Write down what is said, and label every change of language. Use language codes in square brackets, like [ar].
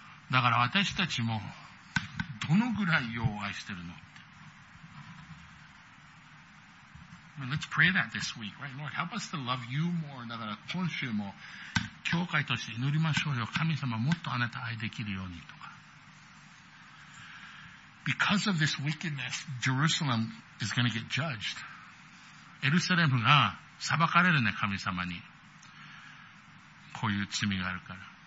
[ja] だから私たちも、どのぐらい世を愛してるのって。 [en] Let's pray that this week, right? Lord, help us to love you more. [ja] だから今週も、教会として祈りましょうよ。神様もっとあなた愛できるようにとか。 [en] Because of this wickedness, Jerusalem is going to get judged. [ja] エルサレムが裁かれるね、神様に。こういう罪があるから。